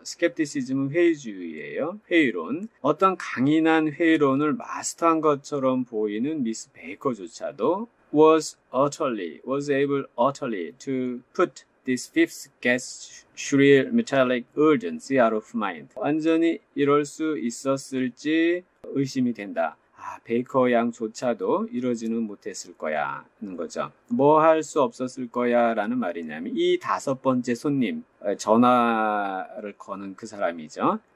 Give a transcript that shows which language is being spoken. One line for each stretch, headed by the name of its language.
Korean: skepticism은 회의주의예요. 회의론. 어떤 강인한 회의론을 마스터한 것처럼 보이는 미스 베이커조차도
English: was able utterly to put this fifth guest's shrill metallic urgency out of mind.
Korean: 완전히 이럴 수 있었을지 의심이 된다. 아, 베이커 양조차도 이러지는 못했을 거야, 는 거죠. 뭐할수 없었을 거야, 라는 말이냐면, 이 다섯 번째 손님, 전화를 거는 그 사람이죠.